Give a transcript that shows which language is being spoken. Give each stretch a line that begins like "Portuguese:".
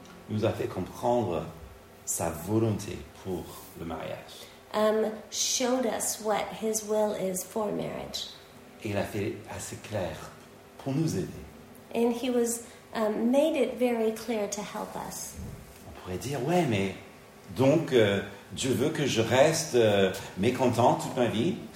French: Nous a fait comprendre sa volonté pour le mariage.
English: Showed us what his will is for marriage.
French: Et il a fait assez clair pour nous aider.
English: And he was made it very clear to help us.
French: On pourrait dire, ouais, mais donc Dieu veut que je reste mécontent toute ma vie.